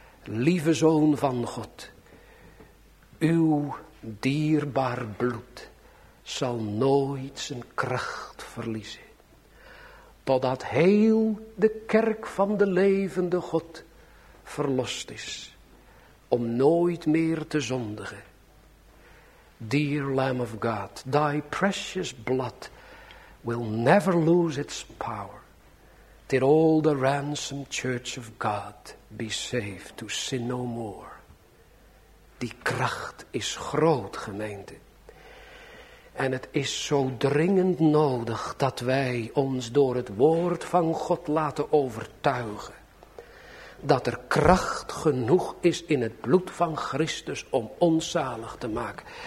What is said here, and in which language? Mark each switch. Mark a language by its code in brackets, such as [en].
[nl] Lieve Zoon van God, uw dierbaar bloed zal nooit zijn kracht verliezen. Totdat heel de kerk van de levende God verlost is. Om nooit meer te zondigen. [en] Dear Lamb of God, thy precious blood will never lose its power. Till all the ransomed church of God be saved to sin no more. [nl] Die kracht is groot, gemeente. En het is zo dringend nodig dat wij ons door het woord van God laten overtuigen. Dat er kracht genoeg is in het bloed van Christus om ons zalig te maken.